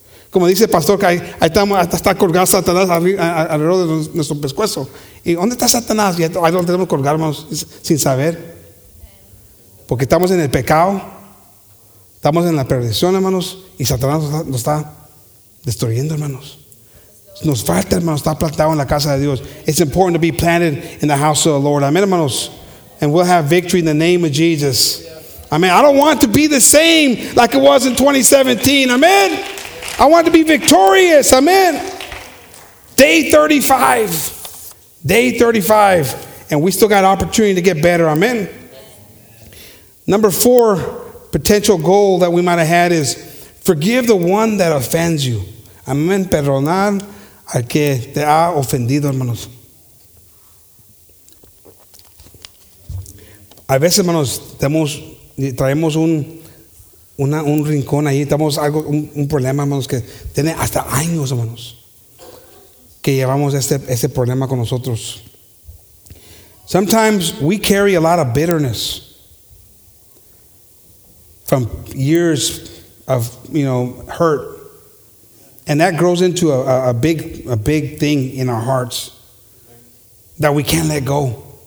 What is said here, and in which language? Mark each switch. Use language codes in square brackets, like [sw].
[es] Como dice el pastor, que ahí está colgado Satanás alrededor de nuestro pescuezo. ¿Y dónde está Satanás? Y ahí lo tenemos colgado, hermanos, sin saber. Porque estamos en el pecado. Estamos en la perdición, hermanos. Y Satanás nos está destruyendo, hermanos. Nos falta, hermanos, estar plantado en la casa de Dios. [en] It's important to be planted in the house of the Lord. Amen, hermanos. And we'll have victory in the name of Jesus. Amen. I don't want to be the same like it was in 2017. Amen. I want to be victorious. Amen. Day 35. And we still got opportunity to get better. Amen. Number four potential goal that we might have had is forgive the one that offends you. [es] Amen. Perdonar al que te ha ofendido, hermanos. A veces, hermanos, traemos un rincón ahí, estamos algo, un problema, hermanos, que tiene hasta años, hermanos, que llevamos este problema con nosotros. [en] Sometimes we carry a lot of bitterness from years of, you know, hurt. And that grows into a big thing in our hearts that we can't let go.